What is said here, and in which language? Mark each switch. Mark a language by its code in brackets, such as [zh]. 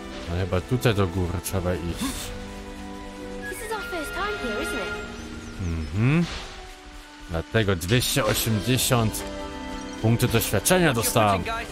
[pl] Ale chyba tutaj do góry trzeba iść. [en] This is our first time here, isn't it? [pl] Dlatego 280 punkty doświadczenia dostałem.